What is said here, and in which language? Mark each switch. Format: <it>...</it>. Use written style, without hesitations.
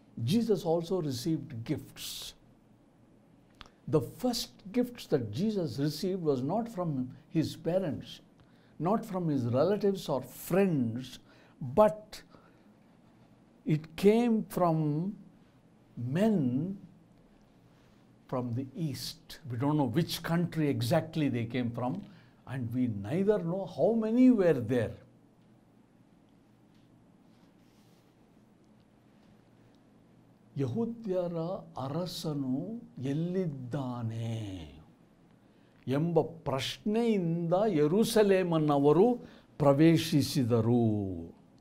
<en>Jesus also received gifts. The first gifts that Jesus received was not from his parents, not from his relatives or friends, but it came from men from the east. We don't know which country exactly they came from, and we neither know how many were there.</en> <kn>ಯಹೂದ್ಯರ ಅರಸನು ಎಲ್ಲಿದ್ದಾನೆ ಎಂಬ ಪ್ರಶ್ನೆಯಿಂದ ಯೆರೂಸಲೇಮನ್ನವರು ಪ್ರವೇಶಿಸಿದರು.</kn>